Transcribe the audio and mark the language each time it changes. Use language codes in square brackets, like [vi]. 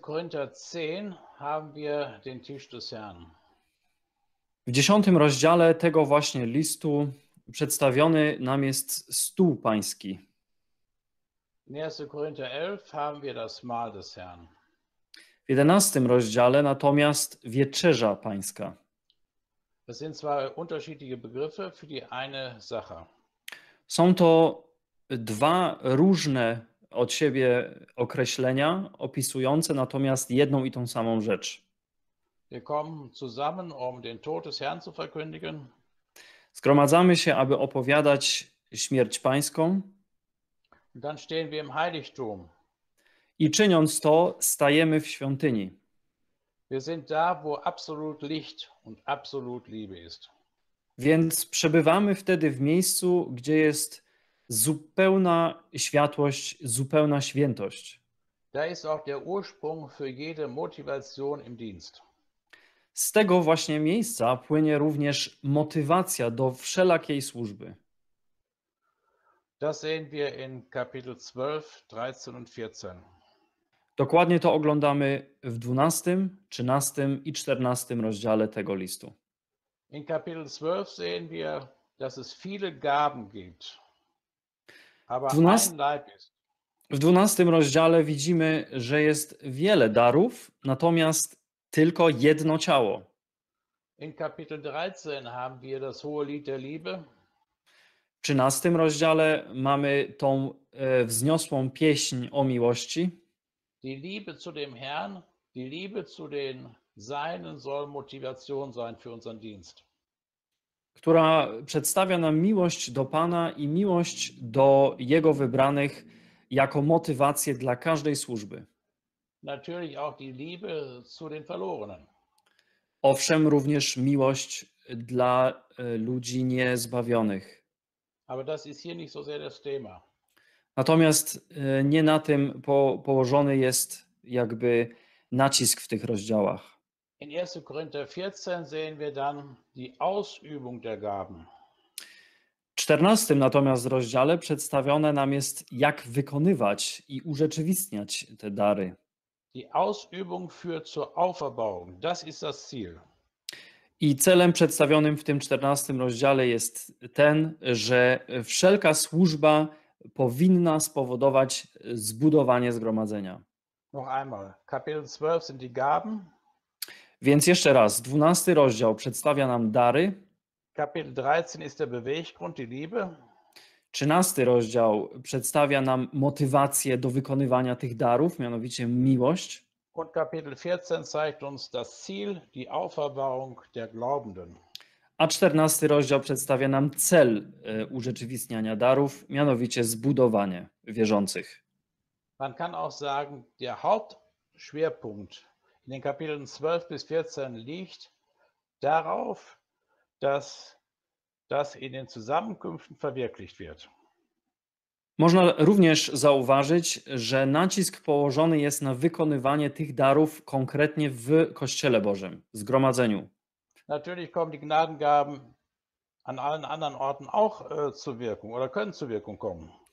[de] Korinther 10 haben wir den Tisch des Herrn. [pl] W 10. rozdziale tego właśnie listu przedstawiony nam jest stół pański. [de] In 1. Korinther 11 haben wir das Mahl des Herrn. [pl] W 11. rozdziale natomiast wieczerza pańska. [de] Das sind zwar unterschiedliche Begriffe für die eine Sache. [pl] Są to dwa różne od siebie określenia opisujące natomiast jedną i tą samą rzecz. [de] Wir kommen zusammen, um den Tod des Herrn zu verkündigen. [pl] Zgromadzamy się, aby opowiadać śmierć Pańską. [de] Und dann stehen wir im Heiligtum. [pl] I czyniąc to, stajemy w świątyni. [de] Wir sind da, wo absolut Licht und absolut Liebe ist. [pl] Więc przebywamy wtedy w miejscu, gdzie jest zupełna światłość, zupełna świętość. [de] Da ist auch der Ursprung für jede Motivation im Dienst. [pl] Z tego właśnie miejsca płynie również motywacja do wszelakiej służby. [de] Das sehen wir in Kapitel 12, 13 und 14. [pl] Dokładnie to oglądamy w 12, 13 i 14 rozdziale tego listu. [de] In Kapitel 12 sehen wir, dass es viele Gaben gibt. Aber 12, ein Leib ist. [pl] W 12 rozdziale widzimy, że jest wiele darów, natomiast tylko jedno ciało. [de] In Kapitel 13 haben wir das hohe Lied der Liebe. [pl] W 13 rozdziale mamy tą wzniosłą pieśń o miłości. [de] Die Liebe zu dem Herrn, die Liebe zu den Seinen soll Motivation sein für unseren Dienst. [pl] Która przedstawia nam miłość do Pana i miłość do Jego wybranych jako motywację dla każdej służby. [de] Natürlich auch die Liebe zu den Verlorenen. [pl] Owszem, również miłość dla ludzi niezbawionych. [de] Aber das ist hier nicht so sehr das Thema. [pl] Natomiast nie na tym położony jest jakby nacisk w tych rozdziałach. [de] In 1. Korinther 14 sehen wir dann die Ausübung der Gaben. [pl] W 14 natomiast rozdziale przedstawione nam jest, jak wykonywać i urzeczywistniać te dary. [de] Die Ausübung führt zur Auferbauung. Das ist das Ziel. [pl] I celem przedstawionym w tym 14 rozdziale jest ten, że wszelka służba powinna spowodować zbudowanie zgromadzenia. [de] Noch einmal. Kapitel 12 sind die Gaben. [pl] Więc jeszcze raz, 12 rozdział przedstawia nam dary. [de] Kapitel 13 ist der Beweggrund, die Liebe. [pl] 13 rozdział przedstawia nam motywację do wykonywania tych darów, mianowicie miłość. [de] Und Kapitel 14 zeigt uns das Ziel, die Auferbauung der Glaubenden. [pl] A 14 rozdział przedstawia nam cel urzeczywistniania darów, mianowicie zbudowanie wierzących. [de] Man kann auch sagen, der Hauptschwerpunkt in den Kapiteln 12 bis 14 liegt darauf, dass das in den Zusammenkünften verwirklicht wird. [pl] Można również zauważyć, że nacisk położony jest na wykonywanie tych darów konkretnie w Kościele Bożym, w zgromadzeniu. [de] Natürlich kommen die Gnadengaben an allen anderen Orten auch zur Wirkung oder können zur Wirkung kommen.